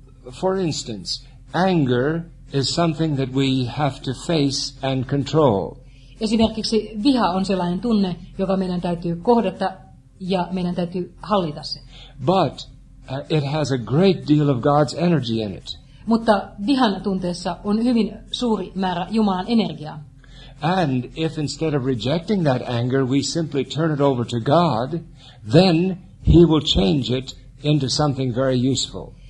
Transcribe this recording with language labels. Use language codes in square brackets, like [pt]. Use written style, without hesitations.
[en] For instance, anger is something that we have to face and control. [fi] Esimerkiksi viha on sellainen tunne, joka meidän täytyy kohdata ja meidän täytyy hallita se. [en] But it has a great deal of God's energy in it. [fi] Mutta vihan tunteessa on hyvin suuri määrä Jumalan energiaa. [en] And if instead of rejecting that anger, we simply turn it over to God, then He will change it into something very useful.